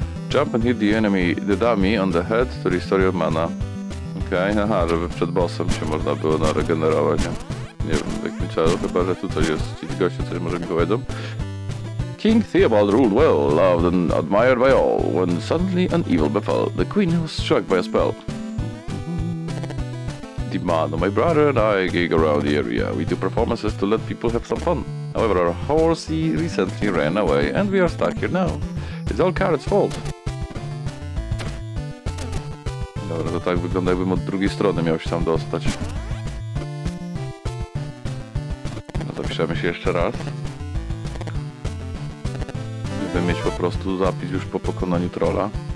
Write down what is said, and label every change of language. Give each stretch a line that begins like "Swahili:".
English: Jump and hit the enemy, the dummy on the head to restore your mana.
Polish: Okej, okay, aha, żeby przed bossem się można było na regenerowanie. Nie wiem, w jakim celu, chyba że tutaj jest ci goście, coś może mi powiedzą.
English: King Theobald ruled well, loved and admired by all, when suddenly an evil befell. The queen was struck by a spell. Demand of my brother and I gig around the area. We do performances to let people have some fun. However, our horsey recently ran away and we are stuck here now. It's all Carrot's fault.
Polish: Dobra, to tak wygląda, jakbym od drugiej strony miał się tam dostać. No, zapiszemy się jeszcze raz. Żeby mieć po prostu zapis już po pokonaniu trolla.